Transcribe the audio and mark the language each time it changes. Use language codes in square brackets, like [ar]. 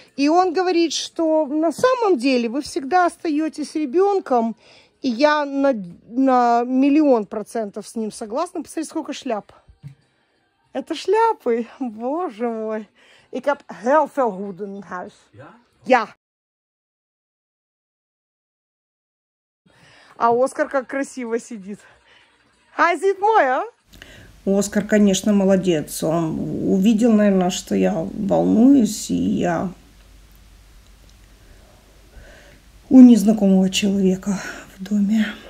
[ru] И он говорит, что на самом деле вы всегда остаетесь ребенком, и я на 1000000% с ним согласна. Посмотри, сколько шляп. Это шляпы, боже мой. [nl] Ik heb heel veel hoeden in huis. Ja? Ja. [ru] А Оскар как красиво сидит. [nl] Hij zit mooi, hè? [ru] Оскар, конечно, молодец. Он увидел, наверное, что я волнуюсь, и я у незнакомого человека в доме.